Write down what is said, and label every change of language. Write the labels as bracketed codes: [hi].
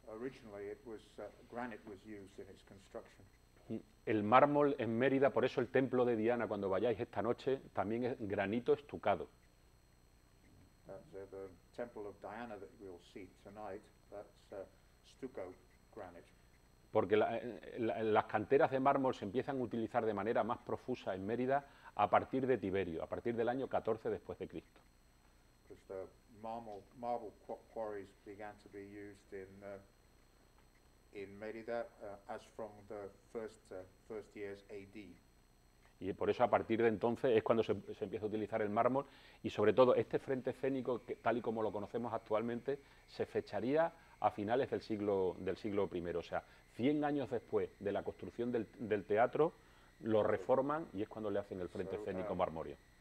[en] Originally it was, granite was used in its construction. [es] El mármol en Mérida, por eso el templo de Diana, cuando vayáis esta noche, también es granito estucado. [en] The temple of Diana that we'll see tonight, that's stucco granite. [es] Porque las canteras de mármol se empiezan a utilizar de manera más profusa en Mérida a partir de Tiberio, a partir del año 14 después de Cristo. [en] Because the marble quarries began to be used in Mérida as from the first years AD. [es] Y por eso a partir de entonces es cuando se empieza a utilizar el mármol, y sobre todo este frente escénico, que, tal y como lo conocemos actualmente, se fecharía a finales del siglo I, o sea, 100 años después de la construcción del teatro, lo reforman y es cuando le hacen el frente escénico marmorio.